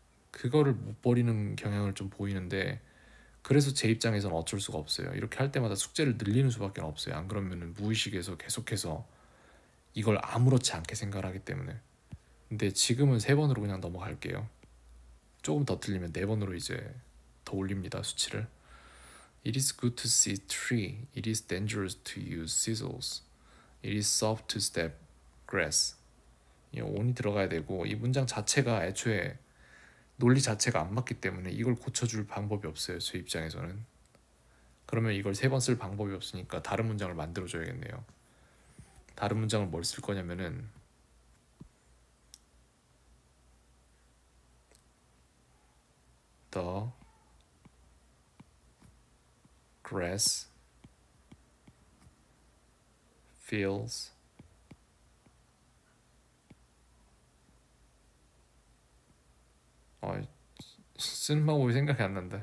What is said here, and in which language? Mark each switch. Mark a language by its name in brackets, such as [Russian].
[Korean] 그거를 못 버리는 경향을 좀 보이는데, 그래서 제 입장에서는 어쩔 수가 없어요. 이렇게 할 때마다 숙제를 늘리는 수밖에 없어요. 안 그러면은 무의식에서 계속해서 이걸 아무렇지 않게 생각을 하기 때문에. 근데 지금은 세 번으로 그냥 넘어갈게요. 조금 더 틀리면 네 번으로 이제 더 올립니다 수치를. [English] It is good to see tree. It is dangerous to use scissors. It is soft to step grass. [Korean] 이 on이 들어가야 되고 이 문장 자체가 애초에 논리 자체가 안 맞기 때문에 이걸 고쳐줄 방법이 없어요 제 입장에서는. 그러면 이걸 세 번 쓸 방법이 없으니까 다른 문장을 만들어줘야겠네요. 다른 문장을 뭘 쓸 거냐면은 [English] The grass feels [Korean] 쓰는 방법이 생각이 안 난다.